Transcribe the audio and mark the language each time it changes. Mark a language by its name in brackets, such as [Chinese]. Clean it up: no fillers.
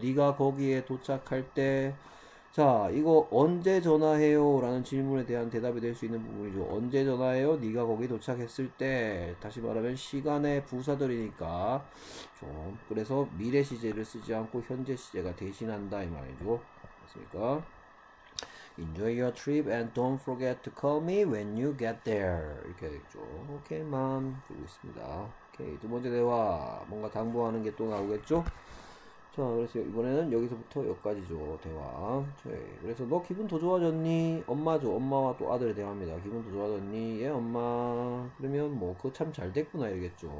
[Korean] 네가 거기에 도착할 때. 자, 이거 언제 전화해요? 라는 질문에 대한 대답이 될수 있는 부분이죠. 언제 전화해요? 네가 거기 도착했을 때. 다시 말하면 시간의 부사절이니까. 좀. 그래서 미래 시제를 쓰지 않고 현재 시제가 대신한다. 이 말이죠. 맞습니까? [English] Enjoy your trip and don't forget to call me when you get there. [Korean] 이렇게 되겠죠. 오케이, 맘. 그리고 있습니다. 오케이, 두 번째 대화. 뭔가 당부하는 게또 나오겠죠? 자, 그래서 이번에는 여기서부터 여기까지죠. 대화. 그래서 너 기분 더 좋아졌니? 엄마죠. 엄마와 또 아들에 대화합니다. 기분 더 좋아졌니? 예, 엄마. 그러면 뭐, 그거 참잘 됐구나. 이러겠죠.